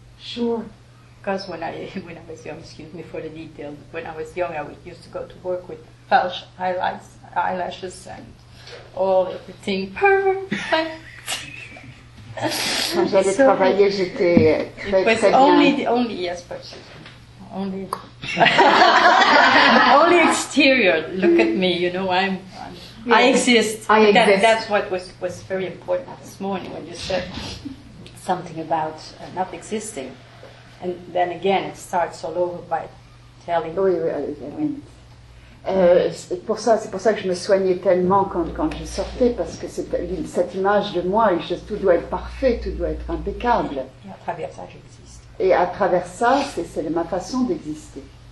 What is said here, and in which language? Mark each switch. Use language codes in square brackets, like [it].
[en] Sure. Because when I was young, excuse me for the details, when I was young, I used to go to work with false eyelashes and all everything perfect. [fr] Quand j'allais travailler, j'étais très bien. [en] Only yes, person. Only. Only exterior. Look at me. You know, I'm yes, I exist. I exist. That's what was very important this morning when you said something about not existing, and then again it starts all over by telling. [fr] Oui, oui, oui. [en] I mean, [fr] pour ça, c'est pour ça que je me soignais tellement quand je sortais, parce que cette image de moi, tout doit être parfait, tout doit être impeccable. Et à travers ça, j'existe. Et à travers ça, c'est ma façon d'exister.